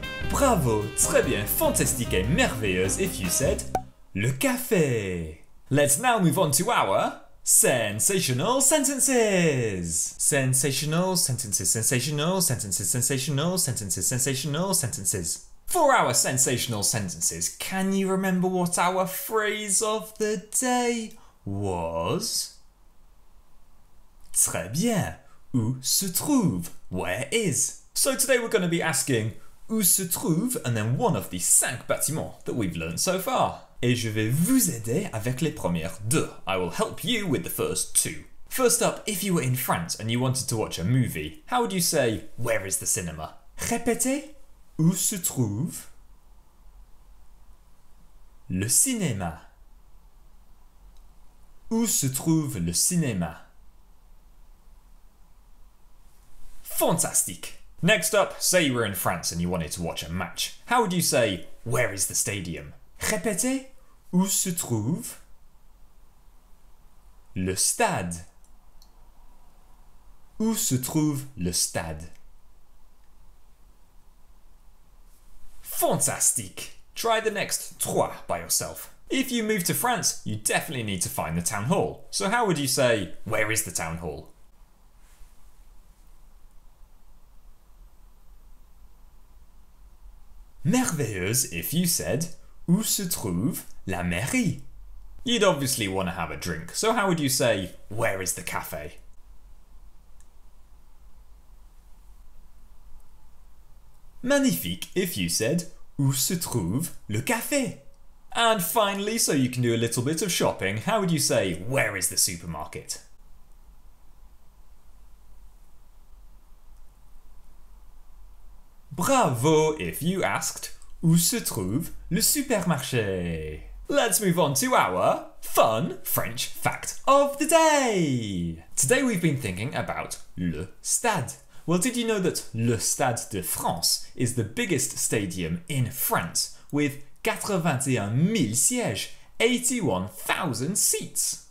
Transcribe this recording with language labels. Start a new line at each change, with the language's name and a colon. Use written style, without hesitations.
French: Bravo, très bien, fantastique et merveilleuse
English: if you said
French: le café.
English: Let's now move on to our sensational sentences. Sensational sentences, sensational sentences, sensational sentences, sensational sentences. For our sensational sentences, can you remember what our phrase of the day was?
French: Très bien. Où se trouve?
English: Where is? So today we're going to be asking
French: où se trouve
English: and then one of the 5 bâtiments that we've learned so far.
French: Et je vais vous aider avec les premières 2.
English: I will help you with the first 2. First up, if you were in France and you wanted to watch a movie, how would you say where is the cinema?
French: Répétez. Où se trouve le cinéma? Où se trouve le cinéma?
English: Fantastic. Next up, say you were in France and you wanted to watch a match. How would you say, where is the stadium?
French: Répétez. Où se trouve le stade? Où se trouve le stade?
English: Fantastic. Try the next 3 by yourself. If you move to France, you definitely need to find the town hall. So how would you say, where is the town hall?
French: Merveilleuse
English: if you said,
French: où se trouve la mairie?
English: You'd obviously want to have a drink, so how would you say, where is the café?
French: Magnifique
English: if you said,
French: où se trouve le café?
English: And finally, so you can do a little bit of shopping, how would you say, where is the supermarket? Bravo if you asked,
French: où se trouve le supermarché?
English: Let's move on to our fun French fact of the day! Today we've been thinking about le stade. Well, did you know that le Stade de France is the biggest stadium in France with 81 000 sièges, 81,000 seats?